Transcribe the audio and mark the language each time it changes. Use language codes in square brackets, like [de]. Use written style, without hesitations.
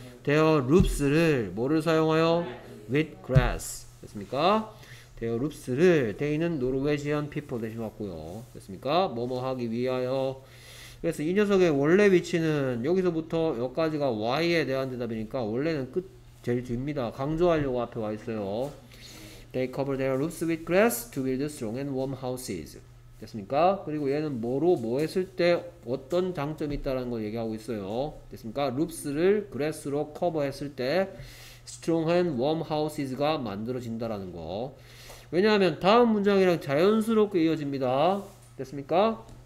[en] Their roofs를 [ko] 뭐를 사용하여? [en] With grass 됐습니까? [ko] Their roofs를 They는 Norwegian people 대신 왔고요. 됐습니까? 뭐뭐 하기 위하여. 그래서 이 녀석의 원래 위치는 여기서부터 여기까지가 Y에 대한 대답이니까 원래는 끝 제일 뒤입니다. 강조하려고 앞에 와 있어요. [en] They cover their roofs with grass to build strong and warm houses. [ko] 됐습니까? 그리고 얘는 뭐로 뭐 했을 때 어떤 장점이 있다는 걸 얘기하고 있어요. 됐습니까? Roofs를 grass로 커버했을 때 [en] strong and warm houses [ko] 가 만들어진다라는 거. 왜냐하면 다음 문장이랑 자연스럽게 이어집니다. 됐습니까?